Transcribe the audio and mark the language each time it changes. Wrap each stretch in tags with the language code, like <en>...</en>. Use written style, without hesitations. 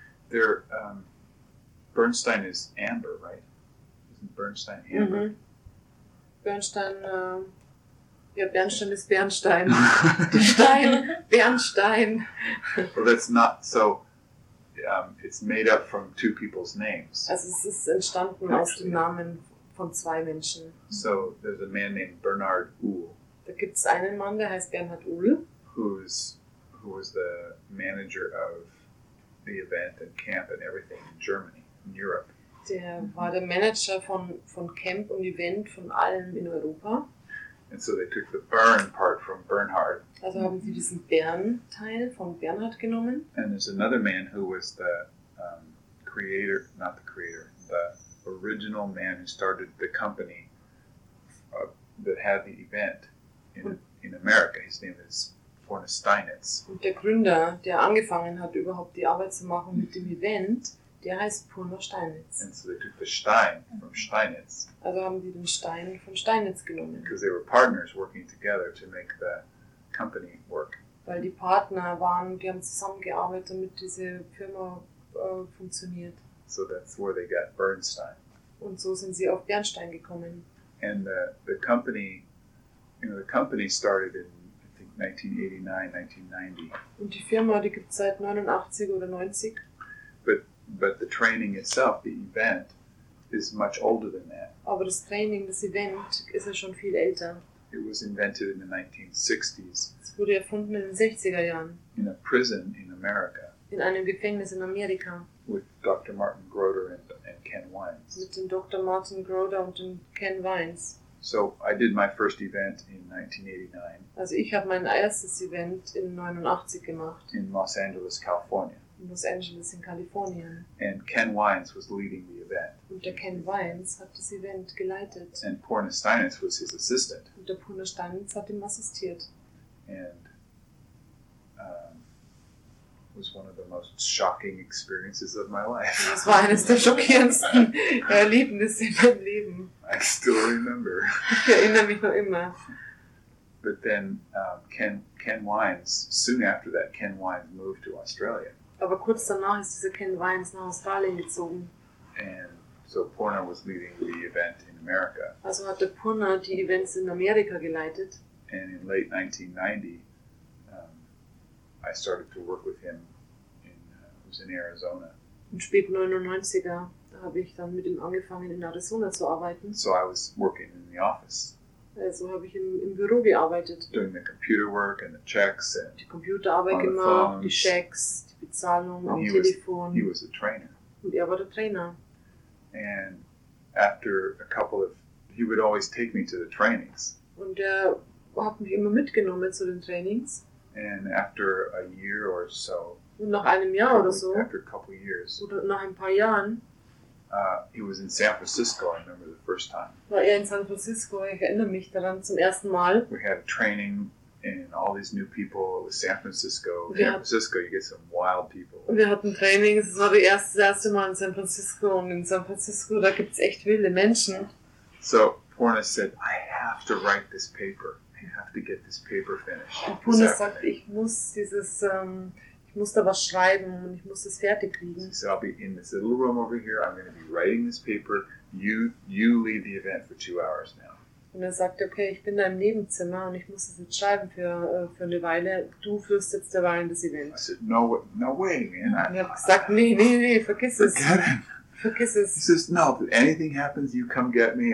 <en>They're, Bernstein is amber, right? Isn't Bernstein amber? Mm-hmm. Bernstein, Bernstein is Bernstein. Stein, Bernstein. Well, that's not so, it's made up from two people's names.</en> <de>Also, es ist entstanden aus dem Namen von zwei Menschen.</de> <en>So, there's a man named Bernard Uhl.</en> <de>Da gibt's einen Mann, der heißt Bernhard Uhl.</de> <en>Who was the manager of the event and camp and everything in Germany, in Europe.</en> <de>Der war der Manager von Camp und Event, von allem in Europa.</de> <en>And so they took the Bern part from Bernhard.</en> <de>Also haben sie diesen Bern-Teil von Bernhard genommen.</de> <en>And there's another man who was the creator, not the creator, the original man who started the company that had the event. In America, his name is Forna Steinitz.</en> <de>Und der Gründer, der angefangen hat, überhaupt die Arbeit zu machen mit dem Event, der heißt Forna Steinitz.</de> <en>And so they took the Stein from Steinitz.</en> <de>Also haben die den Stein von Steinitz genommen.</de> <en>Because they were partners working together to make the company work.</en> <de>Weil die Partner waren, die haben zusammengearbeitet, damit diese Firma funktioniert.</de> <en>So that's where they got Bernstein.</en> <de>Und so sind sie auf Bernstein gekommen.</de> <en>And the company. You know, the company started in, I think, 1989, 1990.</en> <de>Und die Firma, die gibt's seit 89 oder 90.</de> <en>But the training itself, the event, is much older than that.</en> <de>Aber das Training, das Event, ist ja schon viel älter.</de> <en>It was invented in the 1960s.</en> <de>Es wurde erfunden in den 60er Jahren.</de> <en>In a prison in America.</en> <de>In einem Gefängnis in Amerika.</de> <en>With Dr. Martin Groder and Ken Wines.</en> <de>Mit dem Dr. Martin Groder und dem Ken Wines.</de> <en>So I did my first event in 1989.</en> <de>Also ich habe mein erstes Event in 89 gemacht.</de> <en>In Los Angeles, California.</en> <de>In Los Angeles in Kalifornien.</de> <en>And Ken Wines was leading the event.</en> <de>Und der Ken Wines hat das Event geleitet.</de> <en>And Porna Steinitz was his assistant.</en> <de>Und der Porna Steinitz hat ihm assistiert.</de> <en>And was one of the most shocking experiences of my life.</en> <de>Das war eines der schockierendsten Erlebnisse in meinem Leben.</de> <en>I still remember.</en> <de>Ich erinnere mich noch immer.</de> <en>But then Ken Wines, soon after that, Ken Wines moved to Australia.</en> <de>Aber kurz danach ist dieser Ken Wines nach Australien gezogen.</de> <en>And so Porna was leading the event in America.</en> <de>Also hat der Porna die Events in Amerika geleitet.</de> <en>And in late 1990, I started to work with him was in Arizona.</en> <de>Im späten 99er habe ich dann mit ihm angefangen, in Arizona zu arbeiten.</de> <en>So I was working in the office.</en> <de>Also habe ich im Büro gearbeitet.</de> <en>Doing the computer work and the checks and</en> <de>die Computerarbeit gemacht, phones. Die Checks, die Bezahlung am Telefon.</de> <en>He was a trainer.</en> <de>Und er war der Trainer.</de> <en>And after a couple of, he would always take me to the trainings.</en> <de>Und er hat mich immer mitgenommen zu den Trainings.</de> <en>And after a year or so,</en> <de>nach einem Jahr oder so,</de> <en>after a couple of years,</en> <de>oder nach ein paar Jahren,</de> <en>He was in San Francisco, I remember the first time.</en> <de>War in San Francisco, ich erinnere mich daran zum ersten Mal.</de> <en>We had training and all these new people, it was San Francisco. San Francisco, you get some wild people.</en> <de>Wir hatten Training, es war das erste Mal in San Francisco, und in San Francisco, da gibt es echt wilde Menschen.</de> <en>So Porna said, I have to write this paper. I have to get this paper finished.</en> <de>Und Porna sagt, ich muss da was schreiben und ich muss das fertig kriegen.</de> <en>So I'll be in this little room over here. I'm going to be writing this paper. You lead the event for 2 hours now.</en> <de>Und er sagt, okay, ich bin da im Nebenzimmer und ich muss das jetzt schreiben für eine Weile. Du führst jetzt derweil das Event.</de> <en>I said, no way, man.</en> <de>Und er hat gesagt, nee, vergiss es.</de> <en>Forget him.</en> <de>Vergiss es.</de> <en>He says, no, if anything happens, you come get me.</en>